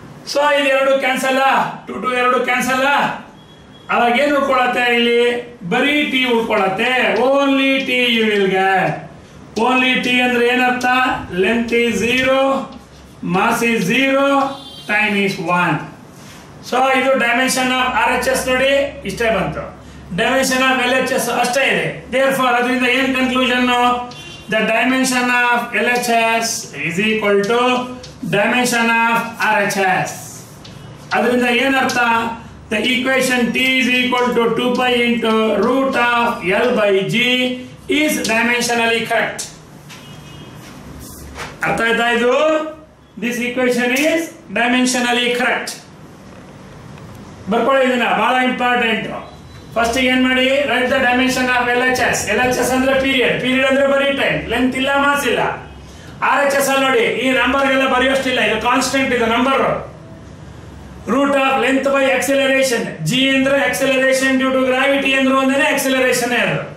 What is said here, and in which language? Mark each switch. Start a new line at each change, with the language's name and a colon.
Kannada: So ಇದು ಎರಡು cancel, two to ಎರಡು ಕ್ಯಾನ್ಸಲ್, ಅವಾಗ ಏನು ಉಳ್ಕೊಳತ್ತೆ, ಇಲ್ಲಿ ಬರೀ T ಉಳ್ಕೊಳತ್ತೆ,
English: Only T you will get. Only T
Kannada: ಅಂದ್ರೆ ಏನರ್ಥ,
English: Length is zero, mass is zero, time is one.
Kannada: So ಇದು dimension of R H S ನೋಡಿ, ಇಷ್ಟೇ ಬಂತು. Dimension of L H S ಅಷ್ಟೇ ಇದೆ.
English: therefore
Kannada: ಅದರಿಂದ ಏನ್
English: Conclusion, the dimension of LHS is equal to dimension of RHS.
Kannada: ಅದರಿಂದ ಏನರ್ಥ,
English: the equation T is equal to 2 pi into root of L by G is dimensionally correct.
Kannada: ಅರ್ಥ ಆಯ್ತಾ ಇದು,
English: this equation is dimensionally correct.
Kannada: ಬರ್ಕೊಳ್ಳಿ ಇದನ್ನ, ಬಹಳ important. First ಏನ್ ಮಾಡಿ,
English: Write the dimension of L H S.
Kannada: L H S ಅಂದ್ರೆ period, period ಅಂದ್ರೆ ಬರೀ ಟೈಮ್, ಲೆಂತ್ ಇಲ್ಲ, ಮಾಸ್ ಇಲ್ಲ. ಆರ್ ಎಚ್ ಎಸ್ ಅಲ್ಲಿ ನೋಡಿ, ಈ ನಂಬರ್ ಎಲ್ಲ ಬರೆಯೋಷ್ಟಿಲ್ಲ, ಇದು ಕಾನ್ಸ್ಟೆಂಟ್, ಇದು number. Root of length by acceleration, G ಅಂದ್ರೆ ಎಕ್ಸಿಲರೇಷನ್ ಡ್ಯೂ ಟು ಗ್ರಾವಿಟಿ ಅಂದ್ರು ಅಂದ್ರೆ ಎಕ್ಸಿಲರೇಷನ್ ಅದು.